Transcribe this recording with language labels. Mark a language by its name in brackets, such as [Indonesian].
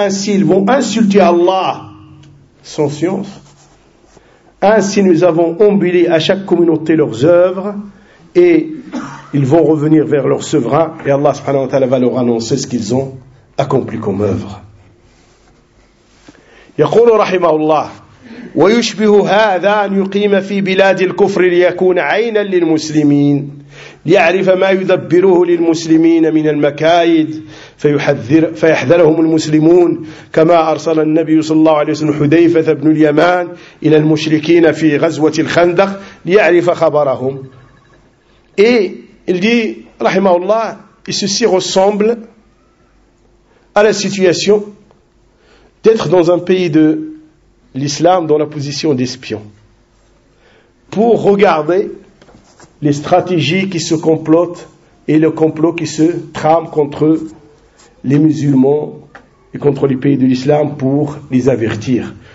[French] Ainsi, ils vont insulter Allah sans science. Ainsi, nous avons embelli à chaque communauté leurs œuvres et ils vont revenir vers leur souverain et Allah, subhanahu wa ta'ala, va leur annoncer ce qu'ils ont accompli comme œuvre. [Arabic] يقول رحمه الله ويشبه هذا أن يقيم في بلاد الكفر ليكون عينا للمسلمين ليعرف ما يدبره للمسلمين من المكايد فيحذرهم المسلمون كما أرسل النبي صلى الله عليه وسلم حذيفة بن اليمان إلى المشركين في غزوة الخندق ليعرف خبرهم. إيه رحمه الله [French] ceci ressemble à la situation d'être dans un pays de l'islam dans la position d'espion pour regarder les stratégies qui se complotent et le complot qui se trame contre les musulmans et contre les pays de l'islam pour les avertir.